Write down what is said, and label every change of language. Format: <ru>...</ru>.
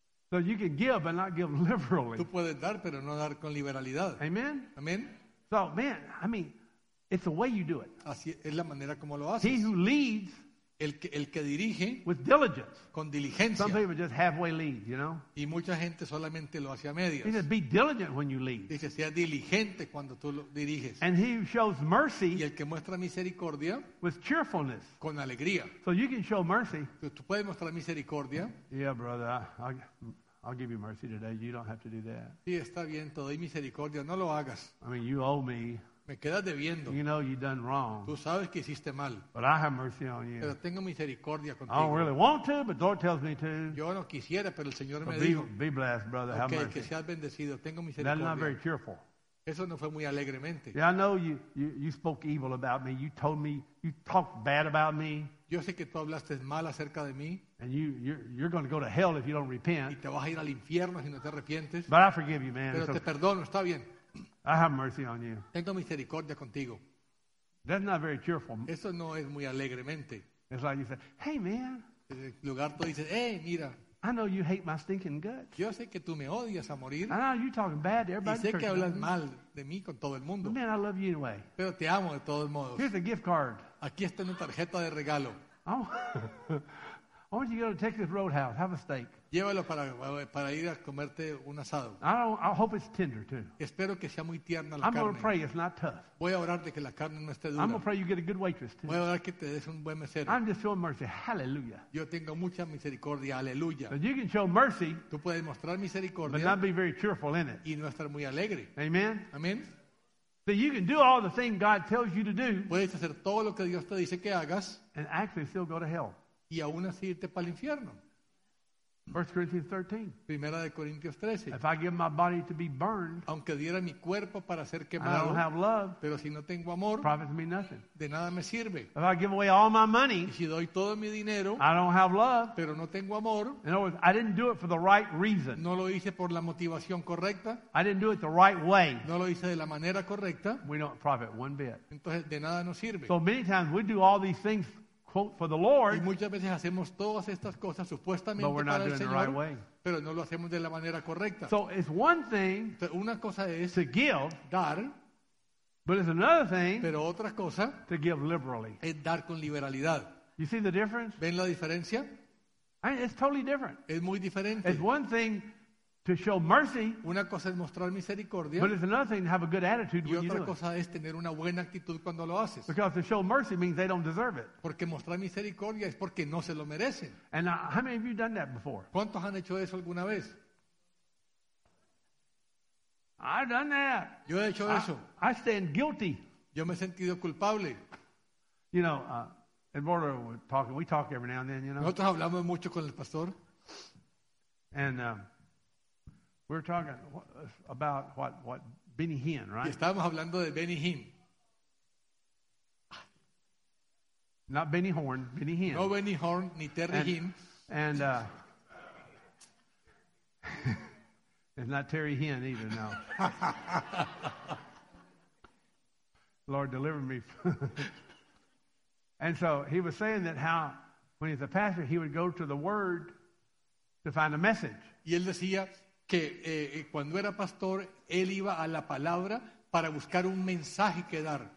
<en>So you can give but not give liberally.</en> <es>Tú puedes dar, pero no dar con liberalidad.</es> <en>Amen.</en> <es>Amen.</es> <en>So, man, I mean, it's the way you do it.</en> <es>Así es la manera como lo haces.</es> <en>He who leads,</en> <es>el que dirige,</es> <en>with diligence,</en> <es>con diligencia.</es> <en>Some people just halfway lead, you know.</en> <es>Y mucha gente solamente lo hace a medias.</es> <en>He says, be diligent when you lead.</en> <es>Dice, sea diligente cuando tú lo diriges.</es> <en>And he who shows mercy,</en> <es>y el que muestra misericordia,</es> <en>with cheerfulness,</en> <es>con alegría.</es> <en>So you can show mercy.</en> <es>Tú puedes mostrar misericordia.</es> <en>Yeah, brother, I'll give you mercy today. You don't have to do that.</en> <es>Sí, está bien, te doy misericordia. No lo hagas.</es> <en>I mean, you owe me.</en> <es>Me quedas debiendo.</es> <en>You know you've done wrong.</en> <es>Tú sabes que hiciste mal.</es> <en>But I have mercy on you.</en> <es>Pero tengo misericordia contigo.</es> <en>I don't really want to, but the Lord tells me to.</en> <es>Yo no quisiera, pero el Señor</es> <en>but</en> <es>me dijo.</es> <en>Be blessed, brother. Okay, have mercy.</en> <es>Que seas bendecido. Tengo misericordia.</es> <en>That's not very cheerful.</en> <es>Eso no fue muy alegremente.</es> <en>Yeah, I know you spoke evil about me. You told me, you talked bad about me.</en> <es>Yo sé que tú hablaste mal acerca de mí.</es> <en>And you're going to go to hell if you don't repent.</en> <es>Y te vas a ir al infierno si no te arrepientes.</es> <en>But I forgive you, man.</en> <es>Pero</es> <en>it's</en> <es>te</es> <en>okay.</en> <es>Perdono, está bien.</es> <en>I have mercy on you.</en> <es>Tengo misericordia contigo.</es> <en>That's not very cheerful.</en> <es>Eso no es muy alegremente.</es> <en>It's like you say, hey, man.</en> <es>En lugar tú dices, hey, mira.</es> <en>I know you hate my stinking guts.</en> <es>Yo sé que tú me odias a morir.</es> <en>I know you're talking bad to everybody.</en> <es>Y sé que hablas mal de mí con todo el mundo.</es> <en>But man, I love you anyway.</en> <es>Pero te amo de todos modos.</es> <en>Here's a gift card.</en> <es>Aquí está mi tarjeta de regalo.</es> <en>I want you to go to Texas Roadhouse. Have a steak.</en> <es>Llévalo para ir a comerte un asado.</es> <en>I hope it's tender too.</en> <es>Espero que sea muy tierna la</es> <en>I'm</en> <es>carne.</es> <en>I'm going to pray it's not tough.</en> <es>Voy a orar de que la carne no esté dura.</es> <en>I'm going to pray you get a good waitress too.</en> <es>Voy a orar que te des un buen mesero.</es> <en>I'm just showing mercy. Hallelujah.</en> <es>Yo tengo mucha misericordia. Hallelujah.</es> <en>But you can show mercy.</en> <es>Tú puedes mostrar misericordia.</es> <en>But not be very cheerful in it.</en> <es>Y no estar muy alegre.</es> <en>Amen.</en> <es>Amen.</es> <en>So you can do all the things God tells you to do.</en> <es>Puedes hacer todo lo que Dios te dice que hagas.</es> <en>And actually still go to hell.</en> <es>Y aún así irte para el infierno.</es> <en>1 Corinthians 13.</en> <es>Primera de Corintios 13.</es> <en>If I give my body to be burned,</en> <es>aunque diera mi cuerpo para ser quemado,</es> <en>I don't have love,</en> <es>pero si no tengo amor,</es> <en>profits me nothing.</en> <es>De nada me sirve.</es> <en>If I give away all my money,</en> <es>y si doy todo mi dinero,</es> <en>I don't have love,</en> <es>pero no tengo amor,</es> <en>in other words, I didn't do it for the right reason.</en> <es>No lo hice por la motivación correcta.</es> <en>I didn't do it the right way.</en> <es>No lo hice de la manera correcta.</es> <en>We don't profit one bit.</en> <es>Entonces, de nada nos sirve.</es> <en>So many times we do all these things quote for the Lord,</en> <es>y muchas veces hacemos todas estas cosas supuestamente para el Señor,</es> <en>right way.</en> <es>Pero no lo hacemos de la manera correcta.</es> <en>So it's one thing,</en> <es>una cosa es</es> <en>to give,</en> <es>dar,</es> <en>but it's another thing,</en> <es>pero otra cosa,</es> <en>to give liberally,</en> <es>es dar con liberalidad.</es> <en>You see the difference?</en> <es>¿Ven la diferencia?</es> <en>I mean, it's totally different.</en> <es>Es muy diferente.</es> <en>It's one thing to show mercy,</en> <es>una cosa es mostrar misericordia,</es> <en>but it's another thing to have a good attitude when you do it.</en> <es>Y otra cosa es tener una buena actitud cuando lo haces.</es> <en>Because to show mercy means they don't deserve it.</en> <es>Porque mostrar misericordia es porque no se lo merecen.</es> <en>And how many of you have done that before?</en> <es>¿Cuántos han hecho eso alguna vez?</es> <en>I've done that.</en> <es>Yo he hecho eso.</es> <en>I stand guilty.</en> <es>Yo me he sentido culpable.</es> <en>You know, Eduardo, we talk every now and then, you know.</en> <es>Nosotros hablamos mucho con el pastor.</es> <en>And we're talking about what Benny Hinn, right?</en> <es>Estábamos hablando de Benny Hinn.</es> <en>Not Benny Horn, Benny Hinn.</en> <es>No Benny Horn, ni Terry Hinn.</es> <en>And it's not Terry Hinn either, no. Lord, deliver me. And so he was saying that how, when he's a pastor, he would go to the Word to find a message.</en> <es>Y él decía que cuando era pastor, él iba a la palabra para buscar un mensaje que dar.</es>